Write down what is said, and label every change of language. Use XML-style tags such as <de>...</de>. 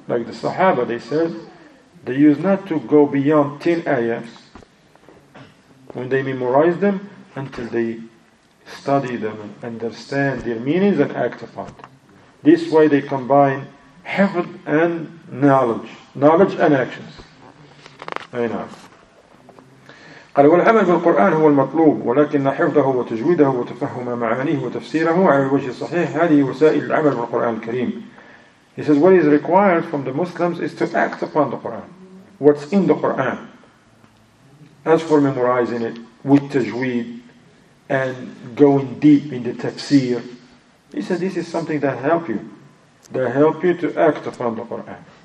<en>Like the Sahaba, they said, they used not to go beyond 10 ayahs when they memorize them until they study them and understand their meanings and act upon them. This way they combine hifd and knowledge and actions.</en> <ar>قال والعمل بالقرآن هو المطلوب ولكن حفظه وتجويده وتفهم معانيه وتفسيره على الوجه الصحيح هذه وسائل العمل بالقرآن الكريم.</ar> <en>He says what is required from the Muslims is to act upon the Quran, what's in the Quran. As for memorizing it with tajweed and going deep in the tafsir, he says this is something that help you, that help you to act upon the Quran.</en>